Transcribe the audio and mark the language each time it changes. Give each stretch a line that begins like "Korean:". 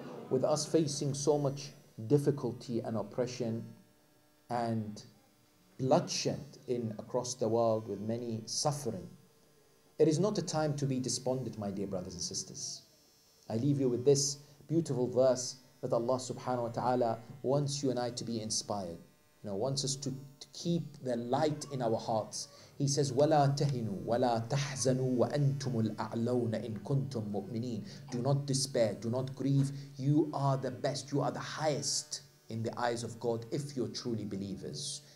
English: with us facing so much difficulty and oppression and bloodshed across the world, with many suffering, it is not a time to be despondent, my dear brothers and sisters. I leave you with this beautiful verse that Allah subhanahu wa ta'ala wants you and I to be inspired. You know, wants us to keep the light in our hearts. He says,
Arabic: وَلَا تَهِنُوا وَلَا تَحْزَنُوا وَأَنْتُمُ الْأَعْلَوْنَ إِن كُنْتُم مُؤْمِنِينَ.
English: Do not despair, do not grieve. You are the best, you are the highest in the eyes of God if you're truly believers.